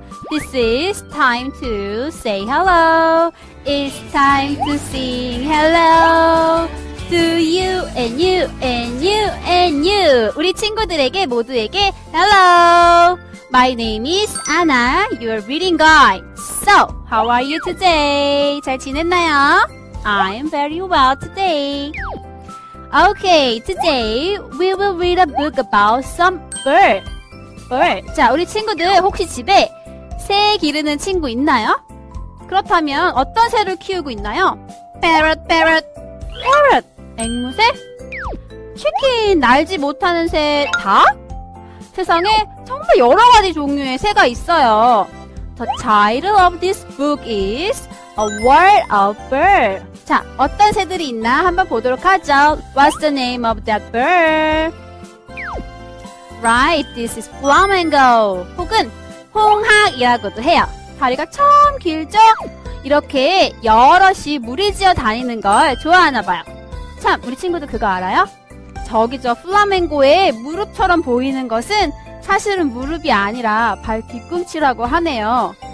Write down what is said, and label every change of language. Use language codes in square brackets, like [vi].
[en] This is time to say hello. It's time to sing hello to you and you and you and you. [ko] 우리 친구들에게 모두에게 hello. [en] My name is Anna, your reading guide. So, how are you today? [ko] 잘 지냈나요? [en] I'm very well today. Okay, today we will read a book about some bird. Bird. [ko] 자, 우리 친구들 혹시 집에 새 기르는 친구 있나요? 그렇다면 어떤 새를 키우고 있나요? [en] Parrot, parrot, parrot. [ko] 앵무새? 치킨, 날지 못하는 새, 닭? 세상에 정말 여러 가지 종류의 새가 있어요. [en] The title of this book is A World of Birds. [ko] 자, 어떤 새들이 있나 한번 보도록 하죠. [en] What's the name of that bird? Right, this is flamingo. [ko] 혹은 홍학이라고도 해요. 다리가 참 길죠? 이렇게 여럿이 무리지어 다니는 걸 좋아하나 봐요. 참, 우리 친구도 그거 알아요? 저기 저 플라멩고의 무릎처럼 보이는 것은 사실은 무릎이 아니라 발 뒤꿈치라고 하네요.